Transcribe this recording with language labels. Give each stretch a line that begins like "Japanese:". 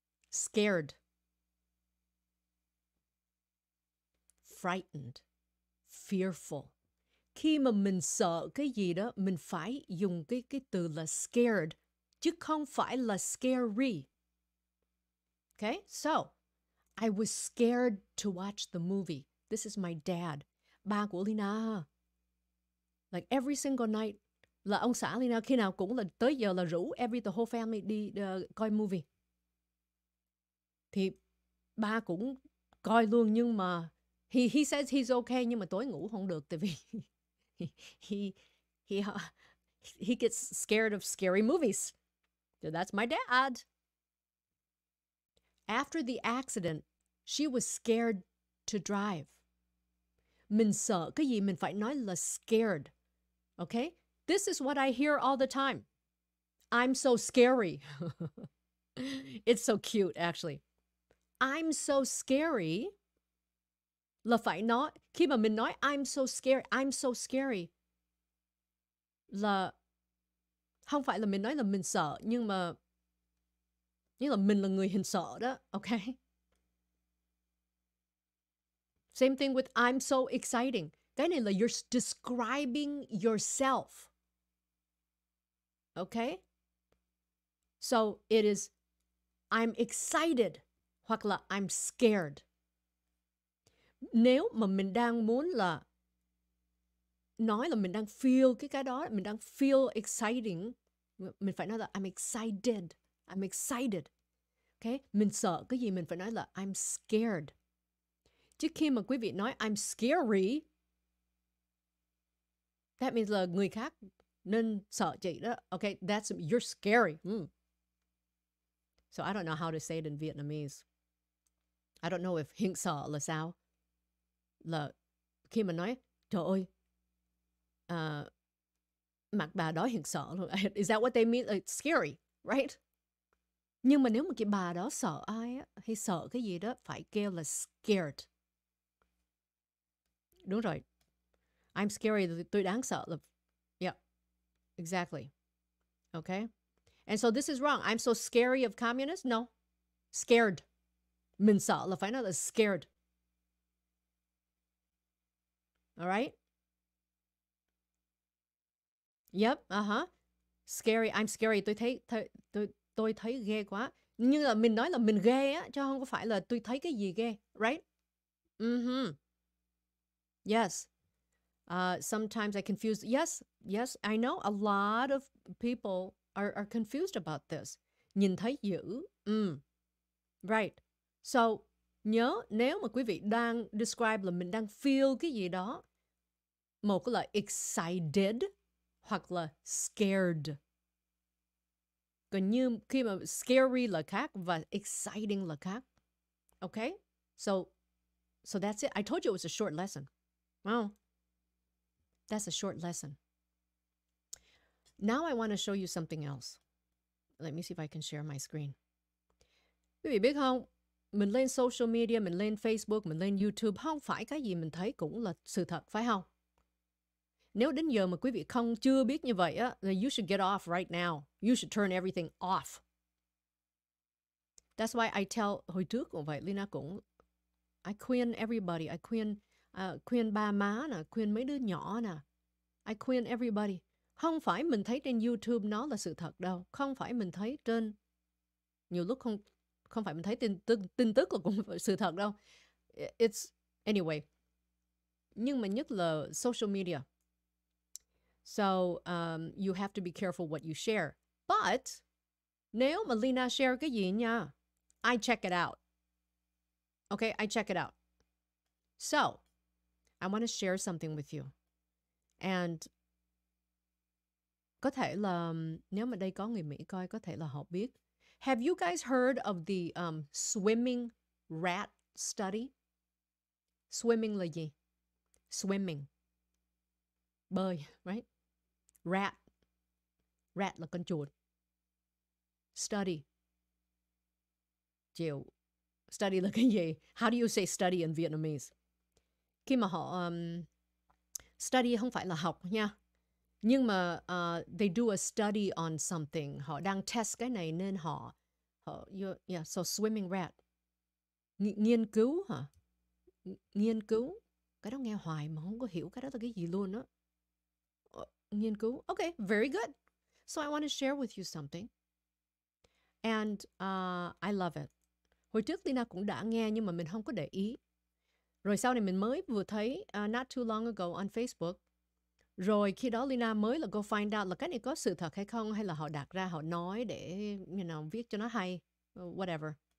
English: Scared. Frightened. Fearful.
Vietnamese: Khi mà mình sợ cái gì đó, mình phải dùng cái từ là scared. Chứ không phải là scary.
English: Okay, so I was scared to watch the movie. This is my dad.
Vietnamese: Ba của Lina. Like every single night, là ông xã Lina khi nào cũng là tới giờ là rủ
English: the whole family
Vietnamese: đi coi movie. Thì ba cũng coi luôn nhưng mà
English: he says he's okay
Vietnamese: nhưng mà tối ngủ không được tại vì
English: he gets scared of scary movies. So that's my dad. After the accident, she was scared to drive.
Vietnamese: Mình sợ cái gì mình phải nói là scared.
English: Okay? This is what I hear all the time. I'm so scary. It's so cute, actually. I'm so scary.
Vietnamese: Là phải nói, khi mà mình nói
English: I'm so scary.
Vietnamese: Là không phải là mình nói là mình sợ, nhưng mà như là mình là người hình sợ đó, okay?
English: Same thing with I'm so exciting.
Vietnamese: Cái này là
English: you're describing yourself. Okay? So it is I'm excited
Vietnamese: hoặc là
English: I'm scared.
Vietnamese: Nếu mà mình đang muốn là nói là mình đang feel cái đó, mình đang feel exciting, mình phải nói là
English: I'm excited. Okay?
Vietnamese: Mình sợ cái gì mình phải nói là
English: I'm scared.
Vietnamese: Chứ khi mà quý vị nói
English: I'm scary, that means
Vietnamese: là người khác nên sợ chị đó.
English: Okay, that's, you're scary. So I don't know how to say it in Vietnamese. I don't know if
Vietnamese: hình sợ là sao. Là khi mà nói, trời ơi, mặt bà đó hình sợ luôn.
English: Is that what they mean? Like, scary, right?
Vietnamese: Nhưng mà nếu mà cái bà đó sợ ai hay sợ cái gì đó, phải kêu là scared. Đúng rồi.
English: I'm scary.
Vietnamese: Tôi đáng sợ.
English: Yeah. Exactly. Okay. And so this is wrong. I'm so scary of communists? No. Scared.
Vietnamese: Mình sợ là phải nói là scared.
English: All right? Yep. Uh-huh. Scary. I'm scary.
Vietnamese: Tôi thấy ghê quá. Nhưng là mình nói là mình ghê á. Chứ không có phải là tôi thấy cái gì ghê.
English: Right? Mm-hmm. Yes, sometimes I confuse. Yes, I know a lot of people are confused about this.
Vietnamese: Nhìn thấy dữ, right. So nhớ nếu mà quý vị đang describe là mình đang feel cái gì đó, một là excited hoặc là scared. Còn như khi mà scary là khác và exciting là khác.
English: Okay, so that's it. I told you it was a short lesson. Wow. That's a short lesson. Now I want to show you something else. Let me see if I can share my screen.
Vietnamese: Quý vị biết không? Mình lên social media, mình lên Facebook, mình lên YouTube, không phải cái gì mình thấy cũng là sự thật, phải không? Nếu đến giờ mà quý vị không chưa biết như vậy á,
English: then you should get off right now. You should turn everything off. That's why I tell,
Vietnamese: hồi trước cũng vậy, Lina cũng, I khuyên everybody, I khuyên, khuyên ba má nè, khuyên mấy đứa nhỏ nè. I khuyên everybody. Không phải mình thấy trên YouTube nó là sự thật đâu. Không phải mình thấy trên, nhiều lúc không, không phải mình thấy tin tức là cũng sự thật đâu.
English: It's, anyway.
Vietnamese: Nhưng mà nhất là social media.
English: So, you have to be careful what you share. But,
Vietnamese: nếu mà Lina share cái gì nha,
English: I check it out. Okay, I check it out. So, I want to share something with you.
Vietnamese: And, có thể là, nếu mà đây có người Mỹ coi, có thể là họ biết.
English: Have you guys heard of the swimming rat study?
Vietnamese: Swimming là gì? Swimming. Bơi, right? Rat. Rat là con chuột. Study. Chịu. Study là cái gì?
English: How do you say study in Vietnamese?
Vietnamese: Khi mà họ study không phải là học nha. Nhưng mà
English: they do a study on something.
Vietnamese: Họ đang test cái này nên họ so swimming rat. Nghiên cứu hả? Nghiên cứu. Cái đó nghe hoài mà không có hiểu cái đó là cái gì luôn á. Nghiên cứu.
English: Okay, very good. So I want to share with you something. And I love it.
Vietnamese: Hồi trước Lina cũng đã nghe nhưng mà mình không có để ý. Rồi sau này mình mới vừa thấy
English: not too long ago on Facebook.
Vietnamese: Rồi khi đó Lina mới là
English: go find out
Vietnamese: là cái này có sự thật hay không, hay là họ đặt ra, họ nói để, you know, viết cho nó hay, whatever.